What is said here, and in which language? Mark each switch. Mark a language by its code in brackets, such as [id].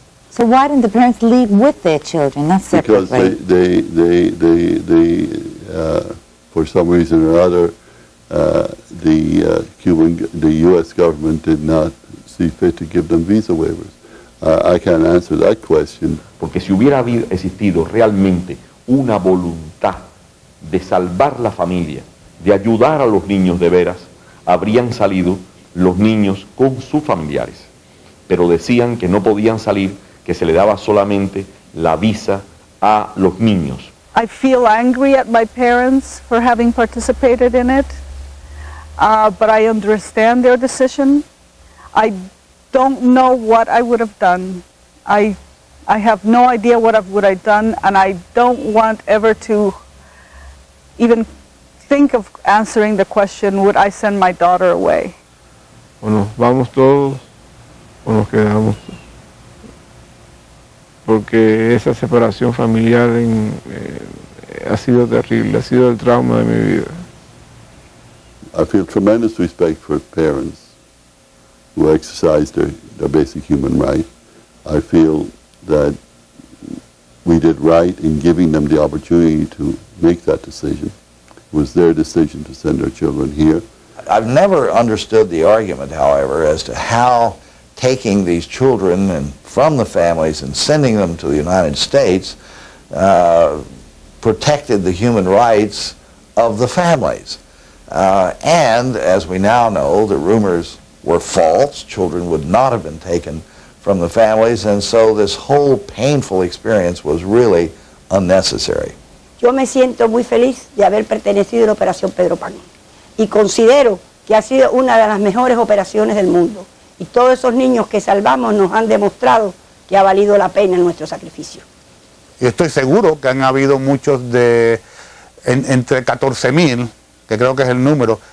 [en] So why didn't the parents leave with their children? That's separate. Because for some reason or other, the U.S. government did not see fit to give them visa waivers. I can't answer that question. [es] Porque si hubiera existido realmente una voluntad de salvar la familia, de ayudar a los niños de veras, habrían salido los niños con sus familiares. Pero decían que no podían salir, que se le daba solamente la visa a los niños. [en] I feel angry at my parents for having participated in it, but I understand their decision. I don't know what I would have done. I have no idea what I would have done, and I don't want ever to even think of answering the question, would I send my daughter away? [es] ¿O nos vamos todos o nos quedamos? Porque esa separación familiar ha sido terrible, ha sido el trauma de mi vida. [en] I feel tremendous respect for parents who exercise their basic human right. I feel that we did right in giving them the opportunity to make that decision. It was their decision to send their children here. I've never understood the argument, however, as to how taking these children and from the families and sending them to the United States protected the human rights of the families. And as we now know, the rumors were false. Children would not have been taken from the families, and so this whole painful experience was really unnecessary. [es] Yo me siento muy feliz de haber pertenecido a la Operación Pedro Pan, y considero que ha sido una de las mejores operaciones del mundo. Y todos esos niños que salvamos nos han demostrado que ha valido la pena nuestro sacrificio. Y estoy seguro que han habido muchos entre 14.000, que creo que es el número.